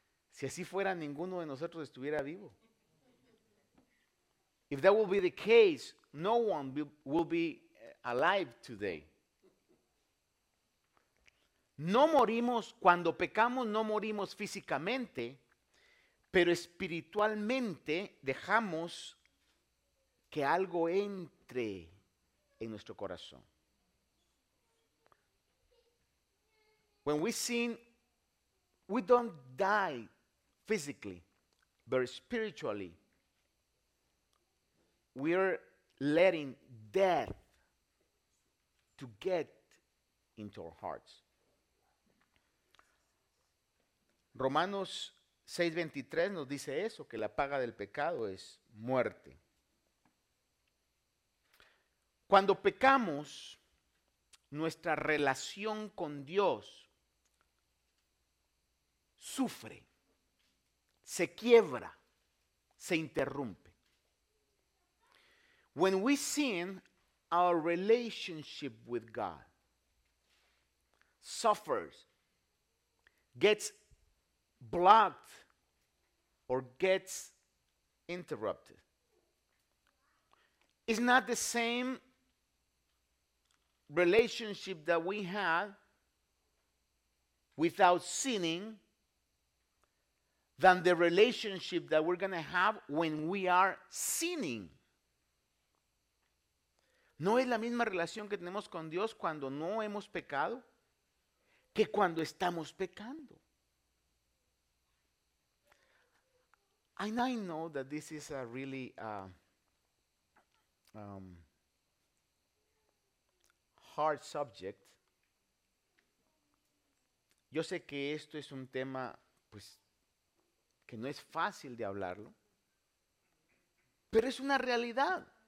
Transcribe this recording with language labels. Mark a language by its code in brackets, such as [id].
[es] Si así fuera, ninguno de nosotros estuviera vivo. [en] If that will be the case, no one will be alive today. [es] No morimos, cuando pecamos no morimos físicamente, pero espiritualmente dejamos que algo entre en nuestro corazón. [en] When we sin, we don't die physically, but spiritually, we're letting death to get into our hearts. [es] Romanos 6:23 nos dice eso, que la paga del pecado es muerte. Cuando pecamos, nuestra relación con Dios sufre, se quiebra, se interrumpe. [en] When we sin, our relationship with God suffers, gets blocked, or gets interrupted. It's not the same relationship that we had without sinning than the relationship that we're going to have when we are sinning. [es] No es la misma relación que tenemos con Dios cuando no hemos pecado que cuando estamos pecando. [en] And I know that this is a really hard subject. [es] Yo sé que esto es un tema, pues, que no es fácil de hablarlo, pero es una realidad.